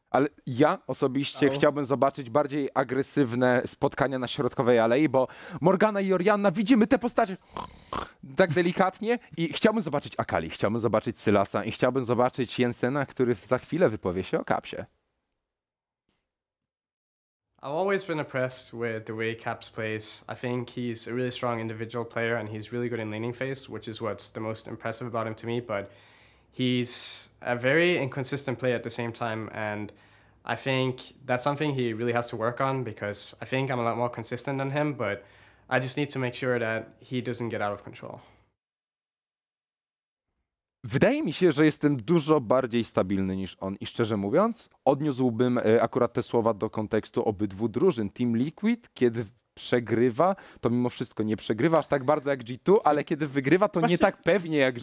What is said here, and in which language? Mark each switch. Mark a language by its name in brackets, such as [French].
[Polish] Ale ja osobiście chciałbym zobaczyć bardziej agresywne spotkania na środkowej alei, bo Morgana i Orianna, widzimy te postacie tak delikatnie i chciałbym zobaczyć Akali, chciałbym zobaczyć Sylasa i chciałbym zobaczyć Jensena, który za chwilę wypowie się o Capsie. [English] I've always been impressed with the way Caps plays. I think he's a really strong individual player and he's really good in laning phase, which is what's the most impressive about him to me, but he's a very inconsistent player at the same time and I think that's something he really has to work on because I think I'm a lot more consistent than him, but I just need to make sure that he doesn't get out of control. [Polish] Wydaje mi się, że jestem dużo bardziej stabilny niż on i szczerze mówiąc, odniósłbym akurat te słowa do kontekstu obydwu drużyn. Team Liquid, kiedy przegrywa, to mimo wszystko nie przegrywa aż tak bardzo jak G2, ale kiedy wygrywa, to właśnie nie tak pewnie jak G2.